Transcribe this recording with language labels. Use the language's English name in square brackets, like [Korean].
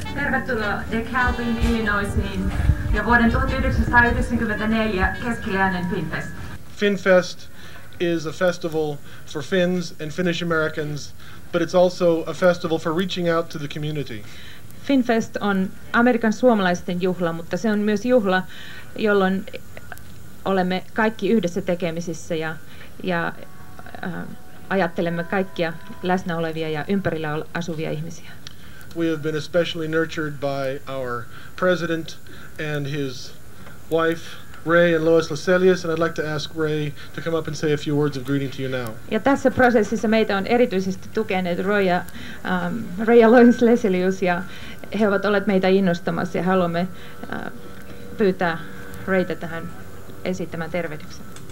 [Finnish] Tervetuloa DeKalbin, Illinoisiin ja vuoden 1994 keskiläinen FinnFest. [English] FinnFest is a festival for Finns and Finnish Americans, but it's also a festival for reaching out to the community. [Finnish] FinnFest on Amerikan suomalaisten juhla, mutta se on myös juhla, jolloin olemme kaikki yhdessä tekemisissä ja ajattelemme kaikkia läsnä olevia ja ympärillä asuvia ihmisiä. [English] We have been especially nurtured by our president and his wife, Ray and Lois Laselius, and I'd like to ask Ray to come up and say a few words of greeting to you now. [Finnish] Ja tässä prosessissa meitä on erityisesti tukeneet Ray ja Lois Laselius, ja he ovat olleet meitä innostamassa, ja haluamme pyytää Rayta tähän esittämään tervehdyksen.